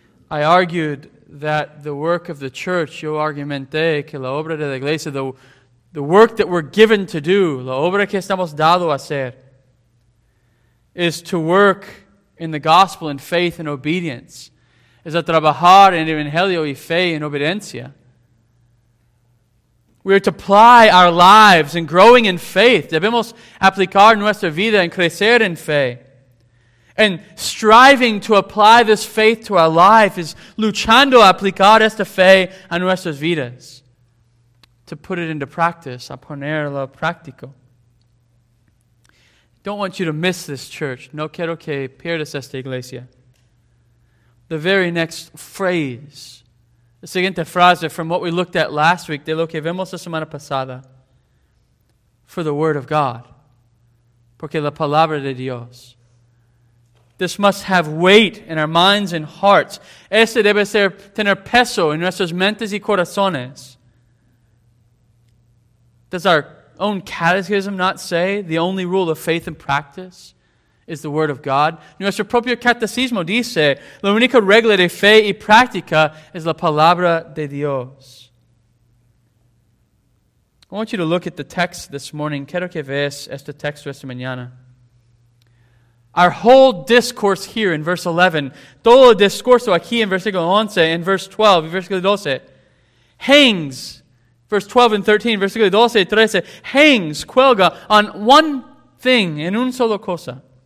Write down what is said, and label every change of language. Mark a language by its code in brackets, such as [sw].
[en] I argued that the work of the church, yo argumenté que la obra de la iglesia, the work that we're given to do, la obra que estamos dado a hacer, is to work in the gospel in faith and obedience. [es] Es a trabajar en evangelio y fe en obediencia. [en] We are to apply our lives in growing in faith. [es] Debemos aplicar nuestra vida en crecer en fe. [en] And striving to apply this faith to our life is luchando a aplicar esta fe a nuestras vidas. To put it into practice, a ponerlo práctico. Don't want you to miss this church. No quiero que pierdas esta iglesia. The very next phrase, the siguiente frase from what we looked at last week, de lo que vemos la semana pasada, for the word of God, porque la palabra de Dios. This must have weight in our minds and hearts. [es] Este debe ser tener peso en nuestras mentes y corazones. [en] Does our own catechism not say the only rule of faith and practice is the word of God? [es] Nuestro propio catecismo dice, la única regla de fe y práctica es la palabra de Dios. [en] I want you to look at the text this morning. [es] Quiero que veas este texto esta mañana. Our whole discourse here in verse 11, todo el discurso aquí en versículo 11, en verse 12, versículo 12, hangs, verse 12 and 13, versículo 12 y 13, hangs, cuelga, on one thing, en un solo cosa.